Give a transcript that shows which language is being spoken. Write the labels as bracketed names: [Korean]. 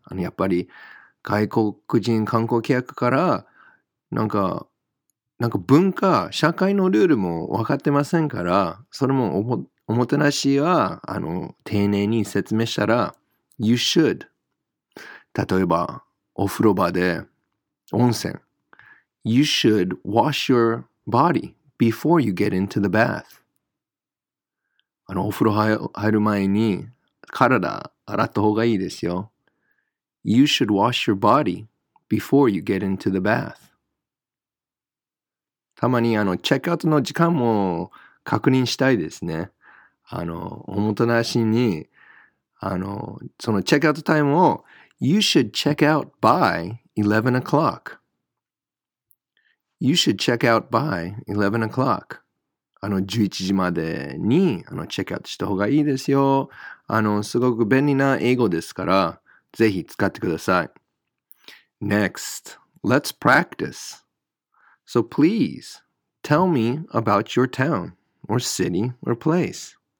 [Japanese] やっぱり外国人観光客から、なんか文化、社会のルールも分かってませんから、それもおもてなしは、丁寧に説明したら、 [English] you should。 [Japanese] 例えば、お風呂場で、温泉。 [English] you should wash your body before you get into the bath. [Japanese] お風呂入る前に体洗った方がいいですよ。 [English] You should wash your body before you get into the bath. [Japanese] たまにチェックアウトの時間も確認したいですね。おもてなしに、そのチェックアウトタイムを [English] You should check out by 11 o'clock. You should check out by 11 o'clock. [Japanese] 11時までにチェックアウトした方がいいですよ。すごく便利な英語ですから、ぜひ使ってください。 [English] Next, let's practice. So please, tell me about your town, or city, or place.